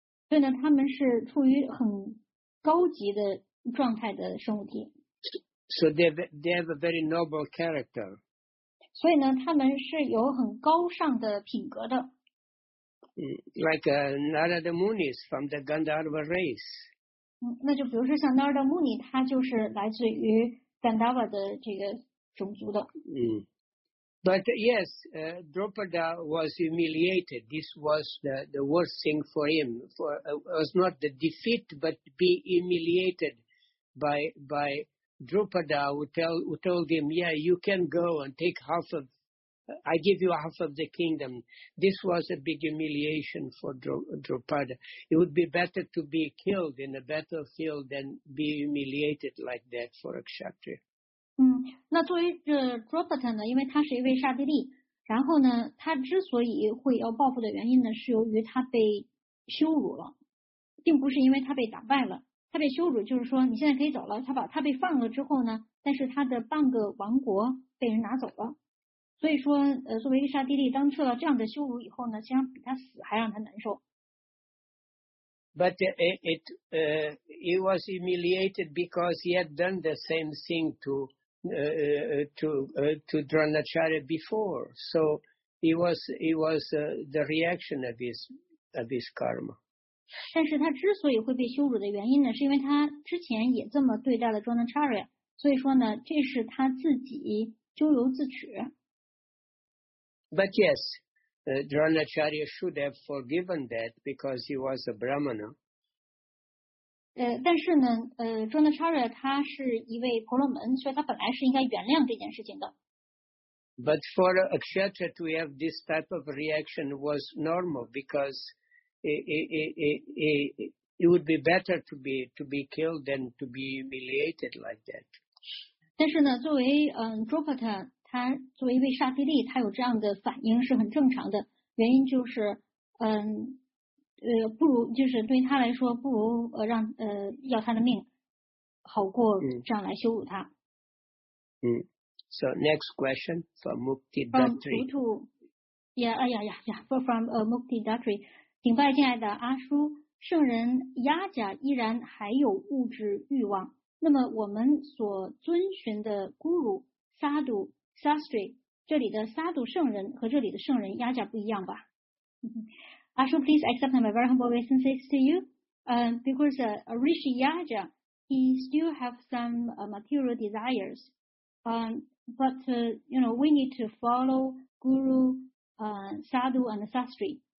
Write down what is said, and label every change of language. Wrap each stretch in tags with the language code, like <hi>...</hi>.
<zh>所以呢，他们是处于很高级的状态的生物体。</zh> <en>So they have a very noble character.</en> <zh>所以呢，他们是有很高尚的品格的。</zh> <en>Like Narada Muni is from the Gandharva race.</en> <zh>那就比如说像 Narada Muni, 他就是来自于 Gandhava 的这个种族的。</zh> <en>But yes, Draupada was humiliated. This was the worst thing for him. It was not the defeat, but be humiliated by Draupada, who told him, yeah, you can go and take half of I give you half of the kingdom. This was a big humiliation for Draupada. It would be better to be killed in a battlefield than be humiliated like that for a kshatriya.</en> <zh>那作为这 Draupada 呢，因为他是一位刹帝利，然后呢，他之所以会要报复的原因呢，是由于他被羞辱了，并不是因为他被打败了。他被羞辱就是说你现在可以走了。他被放了之后呢，但是他的半个王国被人拿走了。所以说，作为一个沙地利，当受到这样的羞辱以后呢，实际上比他死还让他难受。</zh> <en>But he was humiliated because he had done the same thing to Dronacharya before, so he was the reaction of his karma.</en> <zh>但是他之所以会被羞辱的原因呢，是因为他之前也这么对待了 Dronacharya， 所以说呢，这是他自己咎由自取。</zh> <en>But yes, Dronacharya should have forgiven that because he was a Brahmana.</en> <zh>但是呢，Dronacharya 他是一位婆罗门，所以他本来是应该原谅这件事情的。</zh> <en>But for a kshatriya to have this type of reaction was normal because it would be better to be killed than to be humiliated like that.</en> <zh>但是呢，作为Dropata。他作为一位刹帝利，他有这样的反应是很正常的。原因就是，不如就是对他来说，不如让要他的命，好过这样来羞辱他。</zh> <en>So next question from Mukti Dattri. From Mukti Dattri.</en> <zh>顶拜敬爱的阿叔，圣人雅甲依然还有物质欲望。那么我们所遵循的咕噜、萨度。 Sastri, 这里的萨度圣人和这里的圣人压价不一样吧。</zh> <en>Ashu, please accept my very humble obeisances to you. Because Rishi Yaja, he still have some material desires. But you know, we need to follow guru, sadhu, and sastri.</en>